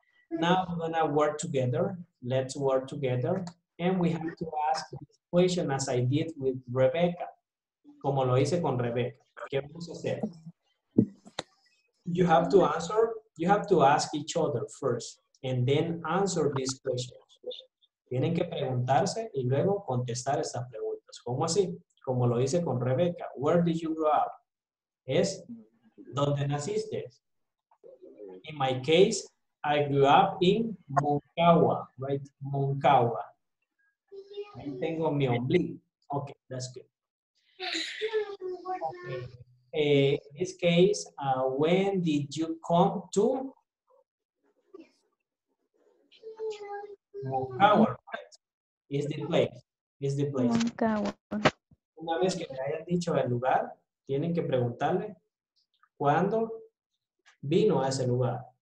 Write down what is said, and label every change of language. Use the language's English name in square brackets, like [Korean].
[English] Now we're gonna work together. Let's work together. And we have to ask this question as I did with Rebecca. [Spanish] Como lo hice con Rebecca. ¿Qué vamos a hacer? [English] You have to answer, you have to ask each other first and then answer this question. [Spanish] Tienen que preguntarse y luego contestar estas preguntas. ¿Cómo así? Como lo hice con Rebecca. [English] Where did you grow up? [Spanish] Es, ¿dónde naciste? [English] In my case, I grew up in Moncagua, right? Moncagua. [Spanish] Ahí tengo mi ombligo. [English] Okay, that's good. Okay. In this case, when did you come to Moncagua, right? Is the place. Is the place. Moncagua. [Spanish] Una vez que me hayan dicho el lugar, tienen que preguntarle cuándo vino a ese lugar.